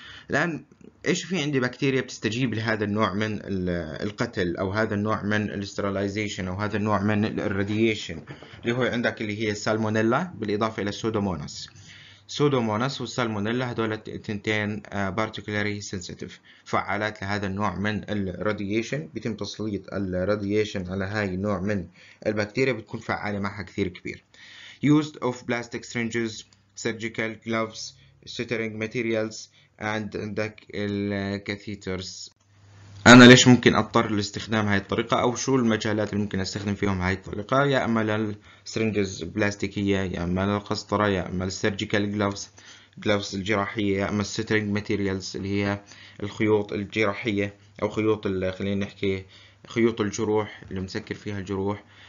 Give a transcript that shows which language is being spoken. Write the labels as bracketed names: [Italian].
[Arabic] الان ايش في عندي بكتيريا بتستجيب لهذا النوع من القتل او هذا النوع من الاسترلايزيشن او هذا النوع من الراديشن اللي هو عندك اللي هي السالمونيلا بالاضافه الى السودوموناس. سودوموناس والسالمونيلا هذول التنتين بارتيكولاري سنسيتيف فعالات لهذا النوع من الراديشن. بيتم تسليط الراديشن على هاي النوع من البكتيريا بتكون فعاله معها كثير كبير. [English] used of plastic syringes surgical gloves suturing materials and عندك الكاثيترز. [Arabic] انا ليش ممكن اضطر لاستخدام هاي الطريقه او شو المجالات اللي ممكن استخدم فيهم هاي الطريقه؟ يا اما للسرنجز البلاستيكيه، يا اما للقسطره، يا اما السيرجيكال جلوفز جلوفز الجراحيه، يا اما السترينج ماتيريالز اللي هي الخيوط الجراحيه او خيوط خلينا نحكي خيوط الجروح اللي مسكر فيها الجروح.